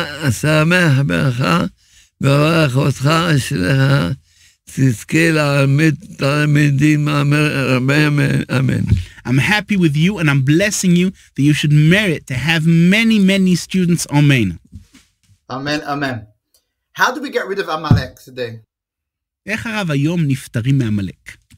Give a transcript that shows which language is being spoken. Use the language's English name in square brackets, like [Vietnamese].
[Hebrew] שמח בך וברך אותך שלך תזכה להעמיד תלמידים הרבה אמן. [English] I'm happy with you and I'm blessing you that you should merit to have many, many students. Amen. Amen, amen. How do we get rid of Amalek today? [Hebrew] איך הרב היום נפטרים מהמלאק?